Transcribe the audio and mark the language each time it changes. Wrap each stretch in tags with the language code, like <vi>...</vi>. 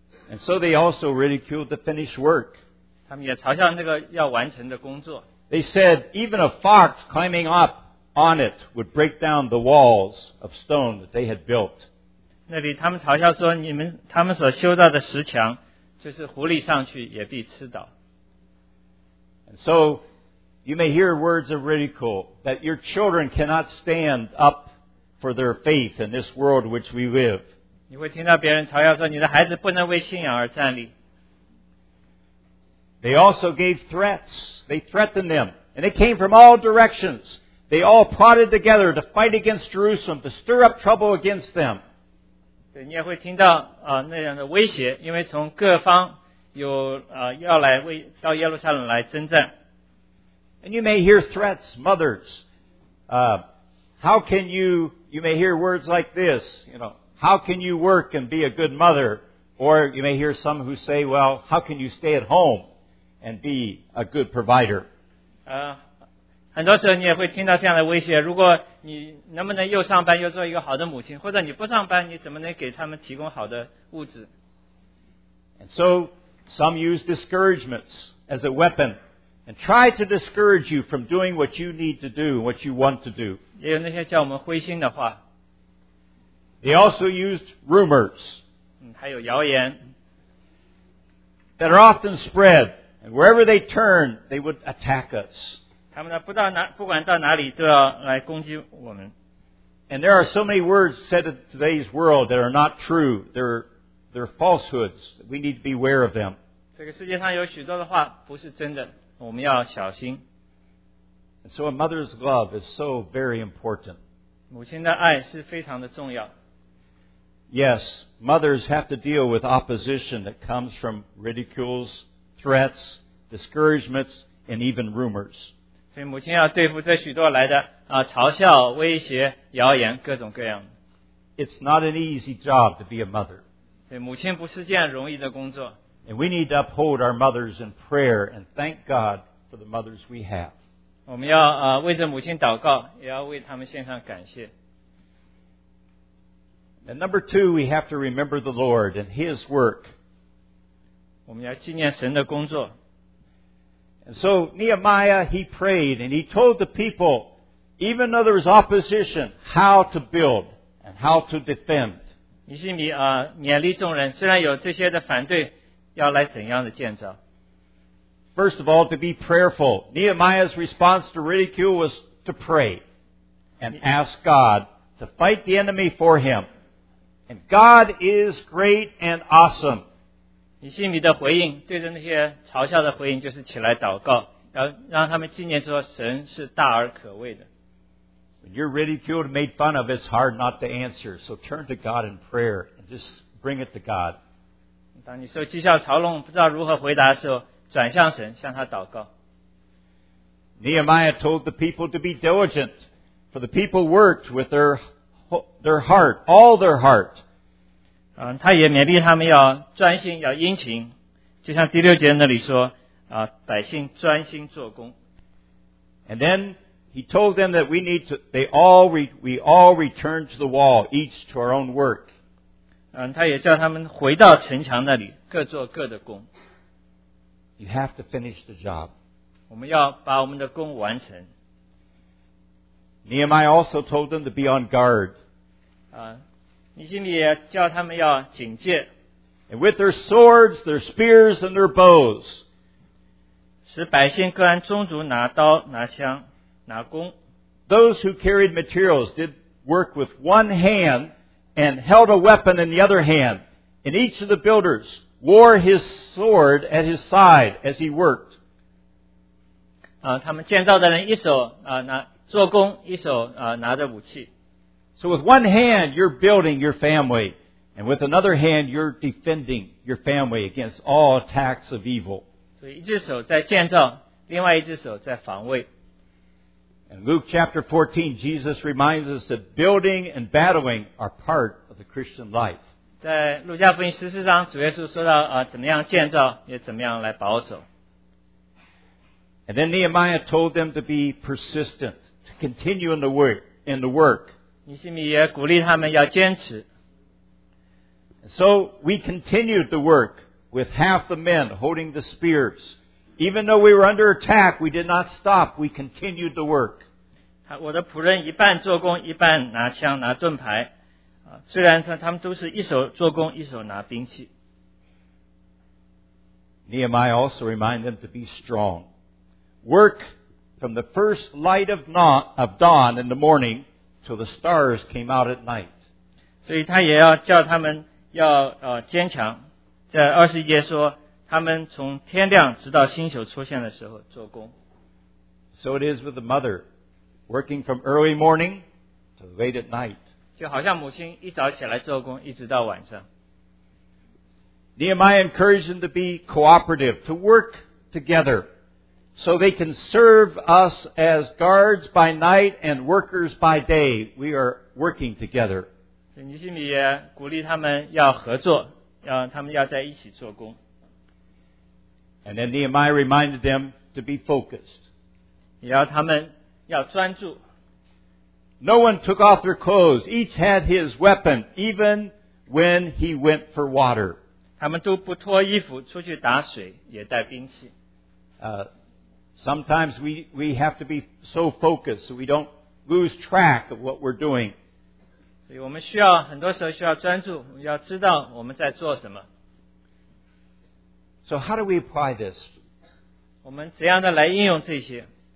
<en>And so they also ridiculed the finished work.</en> <zh>他们也嘲笑那个要完成的工作。</zh> <en>They said even a fox climbing up on it would break down the walls of stone that they had built.</en> <zh>那里他们嘲笑说，你们他们所修造的石墙，就是狐狸上去也必吃倒。</zh> <en>And so you may hear words of ridicule that your children cannot stand up for their faith in this world which we live.</en> <zh>你会听到别人嘲笑说你的孩子不能为信仰而站立。</zh> <en>They also gave threats. They threatened them. And it came from all directions. They all plotted together to fight against Jerusalem, to stir up trouble against them.</en> <zh>对，你也会听到那样的威胁，因为从各方有要来为到耶路撒冷来征战。</zh> <en>And you may hear threats, mothers. How can you, you may hear words like this, you know, how can you work and be a good mother? Or you may hear some who say, well, how can you stay at home and be a good provider?</en> <zh>很多时候你也会听到这样的威胁，如果你能不能又上班又做一个好的母亲，或者你不上班，你怎么能给他们提供好的物质？</zh> <en>And so, some use discouragements as a weapon and try to discourage you from doing what you need to do, what you want to do.</en> <zh>也有那些叫我们灰心的话。</zh> <en>They also used rumors,</en> <zh>还有谣言</zh> <en>that are often spread, and wherever they turn, they would attack us.</en> <zh>他们呢不到哪，不管到哪里都要来攻击我们。</zh> <en>And there are so many words said in today's world that are not true. They're falsehoods. We need to be aware of them.</en> <zh>这个世界上有许多的话不是真的，我们要小心。</zh> <en>And so a mother's love is so very important.</en> <zh>母亲的爱是非常的重要。</zh> <en>Yes, mothers have to deal with opposition that comes from ridicules, threats, discouragements, and even rumors.</en> <zh>所以母亲要对付这许多来的嘲笑、威胁、谣言，各种各样。</zh> <en>It's not an easy job to be a mother.</en> <zh>对，母亲不是件容易的工作。</zh> <en>And we need to uphold our mothers in prayer and thank God for the mothers we have.</en> <zh>我们要为着母亲祷告，也要为他们献上感谢。</zh> <en>And number two, we have to remember the Lord and His work.</en> <zh>我们要纪念神的工作。</zh> <en>And so Nehemiah, he prayed and he told the people, even though there was opposition, how to build and how to defend.</en> <zh>尼希米勉励众人，虽然有这些的反对，要来怎样的建造。</zh> <en>First of all, to be prayerful. Nehemiah's response to ridicule was to pray and ask God to fight the enemy for him. And God is great and awesome.</en> <zh>尼希米的回应，对着那些嘲笑的回应，就是起来祷告，让他们纪念说神是大而可畏的。</zh> <en>When you're ridiculed and made fun of, it's hard not to answer. So turn to God in prayer and just bring it to God.</en> <zh>当你受讥笑嘲弄，不知道如何回答的时候，转向神，向他祷告。</zh> <en>Nehemiah told the people to be diligent, for the people worked with their heart, all their heart.</en> <zh>他也勉励他们要专心要殷勤，就像第六节那里说百姓专心做工。</zh> <en>And then he told them that we need to, we all return to the wall, each to our own work.</en> <zh>他也叫他们回到城墙那里，各做各的工。</zh> <en>You have to finish the job.</en> <zh>我们要把我们的工完成。</zh> <en>Nehemiah also told them to be on guard.</en> <zh>你心里也叫他们要警戒。</zh> <en>And with their swords, their spears, and their bows.</en> <zh>使百姓各按宗族拿刀、拿枪、拿弓。</zh> <en>Those who carried materials did work with one hand and held a weapon in the other hand. And each of the builders wore his sword at his side as he worked.</en> <zh>他们建造的人一手拿做工，一手拿着武器。</zh> <en>So with one hand, you're building your family. And with another hand, you're defending your family against all attacks of evil.</en> <zh>所以一只手在建造，另外一只手在防卫。</zh> <en>In Luke chapter 14, Jesus reminds us that building and battling are part of the Christian life.</en> <zh>在路加福音十四章，主耶稣说到怎么样建造，也怎么样来保守。</zh> <en>And then Nehemiah told them to be persistent, to continue in the work.</en> <zh>尼希米也鼓励他们要坚持。</zh> <en>So we continued the work with half the men holding the spears. Even though we were under attack, we did not stop. We continued the work.</en> <zh>我的仆人一半做工，一半拿枪拿盾牌。虽然他们都是一手做工，一手拿兵器。</zh> <en>Nehemiah also reminded them to be strong. Work from the first light of dawn in the morning till the stars came out at night.</en> <zh>所以他也要叫他们要坚强。在21节说, 他们从天亮直到星宿出现的时候做工。</zh> <en>So it is with the mother, working from early morning to late at night.</en> <zh>就好像母亲一早起来做工, 一直到晚上。</zh> <en>Nehemiah encouraged them to be cooperative, to work together, so they can serve us as guards by night and workers by day. We are working together.</en> <zh>尼希米也鼓励他们要合作, 他们要在一起做工。</zh> <en>And then Nehemiah reminded them to be focused.</en> <zh>也要他们要专注。</zh> <en>No one took off their clothes. Each had his weapon, even when he went for water.</en> <zh>他们都不脱衣服出去打水，也带兵器。</zh> <en>Sometimes we have to be so focused so we don't lose track of what we're doing.</en> <zh>所以我们需要，很多时候需要专注，要知道我们在做什么。</zh> <en>So how do we apply this?</en> <zh>我们怎样的来应用这些？</zh>